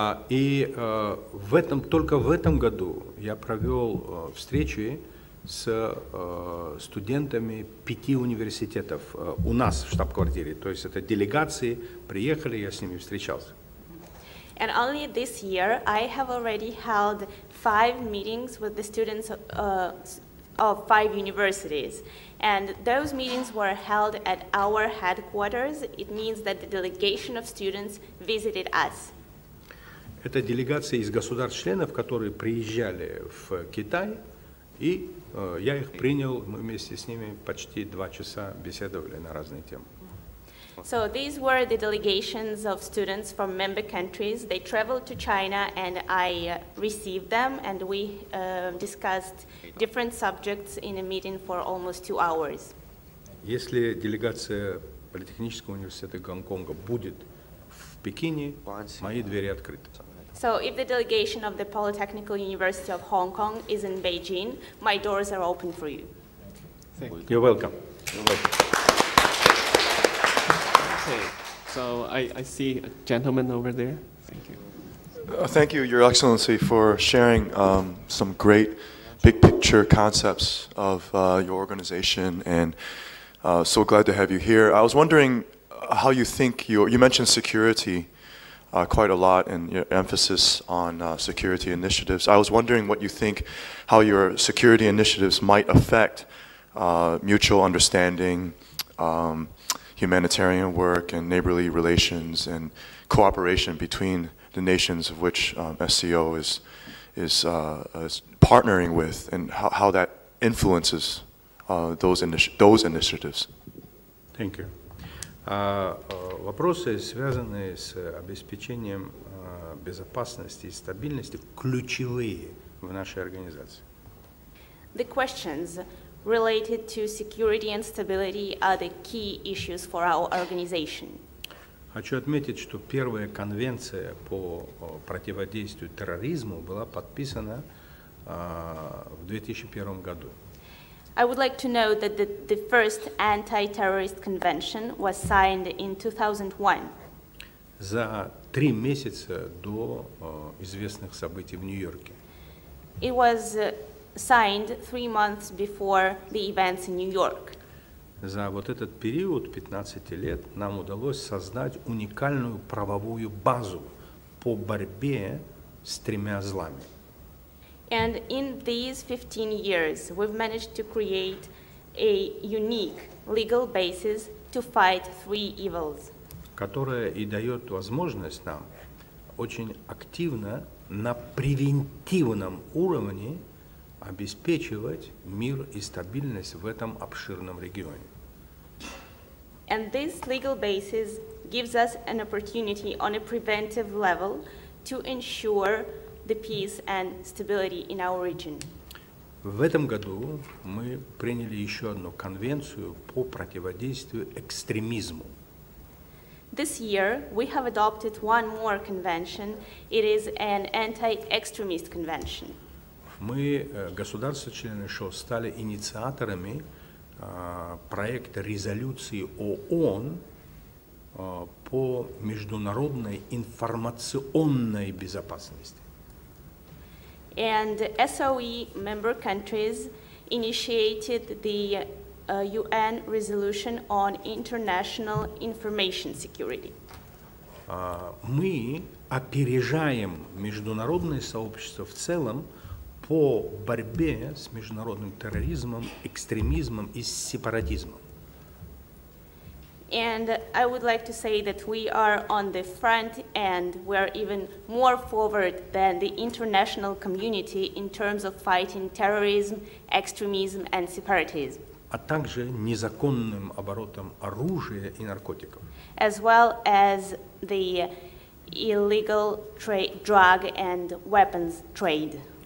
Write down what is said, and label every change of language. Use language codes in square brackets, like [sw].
[ru] И в этом только в этом году я провел встречи с студентами 5 университетов у нас в штаб-квартире. То есть это делегации приехали, я с ними встречался. [en] And only this year, I have already held 5 meetings with the students of 5 universities. And those meetings were held at our headquarters. It means that the delegation of students visited us. [ru] Это делегация из государств-членов, которые приезжали в Китай, и я их принял, мы вместе с ними почти 2 часа беседовали на разные темы. [en] So these were the delegations of students from member countries. They traveled to China, and I received them, and we discussed different subjects in a meeting for almost 2 hours. [ru] Если делегация Политехнического университета Гонконга будет в Пекине, мои двери открыты. [en] So if the delegation of the Polytechnical University of Hong Kong is in Beijing, my doors are open for you. Thank you. You're welcome. You're welcome. Okay, so I see a gentleman over there. Thank you. Thank you, Your Excellency, for sharing some great big picture concepts of your organization, and so glad to have you here. I was wondering how you think you mentioned security quite a lot and your emphasis on security initiatives. I was wondering what you think, how your security initiatives might affect mutual understanding, humanitarian work and neighborly relations and cooperation between the nations of which SCO is partnering with, and how that influences those initiatives. Thank you. [ru] Вопросы, связанные с обеспечением безопасности и стабильности, ключевые в нашей организации. [en] The questions related to security and stability are the key issues for our organization. [ru] Хочу отметить, что первая конвенция по противодействию терроризму была подписана в 2001 году. [en] I would like to note that the first anti-terrorist convention was signed in 2001. [ru] За 3 месяца до известных событий в Нью-Йорке. [en] It was signed 3 months before the events in New York. [ru] За вот этот период 15 лет нам удалось создать уникальную правовую базу по борьбе с тремя злами. [en] And in these 15 years we've managed to create a unique legal basis to fight 3 evils. [ru] Которая и дает возможность нам очень активно на превентивном уровне обеспечивать мир и стабильность в этом обширном регионе. [en] And this legal basis gives us an opportunity on a preventive level to ensure the peace and stability in our region. [ru] В этом году мы приняли еще одну конвенцию по противодействию экстремизму. [en] This year we have adopted one more convention. It is an anti-extremist convention. [ru] Мы, государства-члены ШО, стали инициаторами проекта резолюции ООН по международной информационной безопасности. [en] And SOE member countries initiated the UN resolution on international information security. [ru] Мы опережаем международное сообщество в целом по борьбе с международным терроризмом, экстремизмом и сепаратизмом. [en] And I would like to say that we are on the front and we are even more forward than the international community in terms of fighting terrorism, extremism and separatism. [ru] А также незаконным оборотом оружия и наркотиков. [en] As well as the illegal drug and weapons trade.